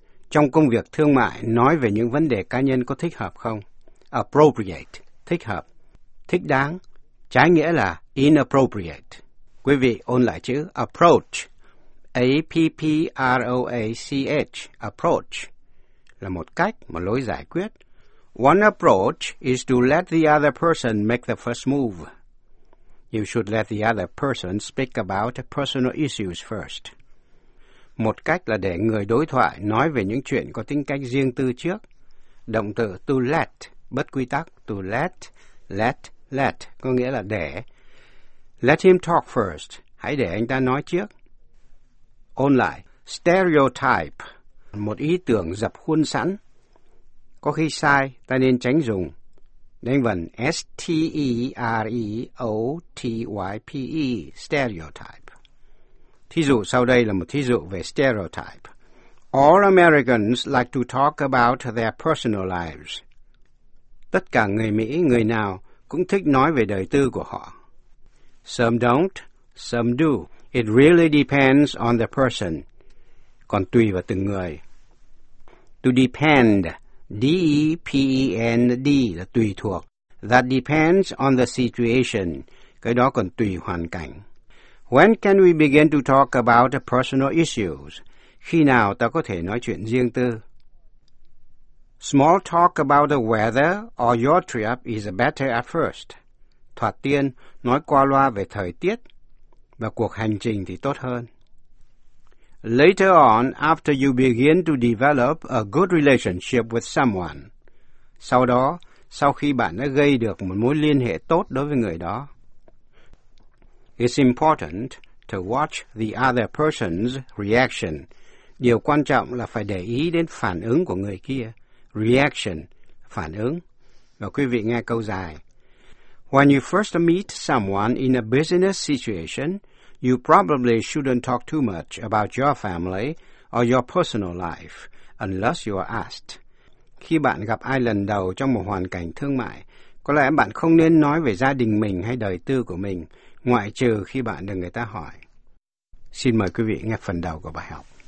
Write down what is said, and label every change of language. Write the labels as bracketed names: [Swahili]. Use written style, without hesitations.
[Vietnamese] Trong công việc thương mại, nói về những vấn đề cá nhân có thích hợp không? Appropriate, thích hợp, thích đáng, trái nghĩa là inappropriate. Quý vị ôn lại chữ approach, A-P-P-R-O-A-C-H, approach, là một cách, một lối giải quyết. [English] One approach is to let the other person make the first move. You should let the other person speak about personal issues first. [Vietnamese] Một cách là để người đối thoại nói về những chuyện có tính cách riêng tư trước. Động từ to let, bất quy tắc, to let, có nghĩa là để. [English] Let him talk first, [Vietnamese] hãy để anh ta nói trước. Ôn lại, stereotype, một ý tưởng dập khuôn sẵn. Có khi sai, ta nên tránh dùng. Đánh vần S-T-E-R-E-O-T-Y-P-E, stereotype. Thí dụ sau đây là một thí dụ về stereotype. [English] All Americans like to talk about their personal lives. [Vietnamese] Tất cả người Mỹ, người nào cũng thích nói về đời tư của họ. [English] Some don't, some do. It really depends on the person. [Vietnamese] Còn tùy vào từng người. To depend, D-E-P-E-N-D, là tùy thuộc. [English] That depends on the situation. [Vietnamese] Cái đó còn tùy hoàn cảnh. [English] When can we begin to talk about personal issues? [Vietnamese] Khi nào ta có thể nói chuyện riêng tư? [English] Small talk about the weather or your trip is better at first. [Vietnamese] Thoạt tiên, nói qua loa về thời tiết và cuộc hành trình thì tốt hơn. [English] Later on, after you begin to develop a good relationship with someone. [Vietnamese] Sau đó, sau khi bạn đã gây được một mối liên hệ tốt đối với người đó. [English] It's important to watch the other person's reaction. [Vietnamese] Điều quan trọng là phải để ý đến phản ứng của người kia. Reaction, phản ứng. Và quý vị nghe câu dài. [English] When you first meet someone in a business situation, you probably shouldn't talk too much about your family or your personal life unless you are asked. [Vietnamese] Khi bạn gặp ai lần đầu trong một hoàn cảnh thương mại, có lẽ bạn không nên nói về gia đình mình hay đời tư của mình, ngoại trừ khi bạn được người ta hỏi. Xin mời quý vị nghe phần đầu của bài học.